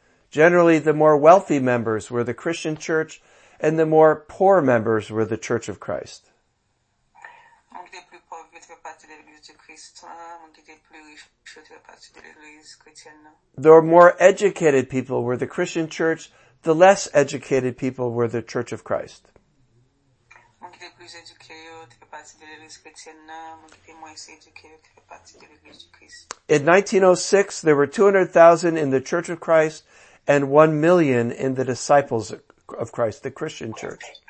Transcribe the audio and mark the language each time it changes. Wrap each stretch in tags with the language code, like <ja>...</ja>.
<en>Generally, the more wealthy members were the Christian church and the more poor members were the Church of Christ.</en> <fr>Donc les plus pauvres faisaient partie de l'Église de Christ, donc les plus riches faisaient partie de l'Église chrétienne.</fr> <en>The more educated people were the Christian Church, the less educated people were the Church of Christ.</en> <fr>Donc les plus éduqués faisaient partie de l'Église chrétienne, donc les moins éduqués faisaient partie de l'Église de Christ.</fr> <en>In 1906, there were 200,000 in the Church of Christ and 1,000,000 in the Disciples of Christ, the Christian Church.</en>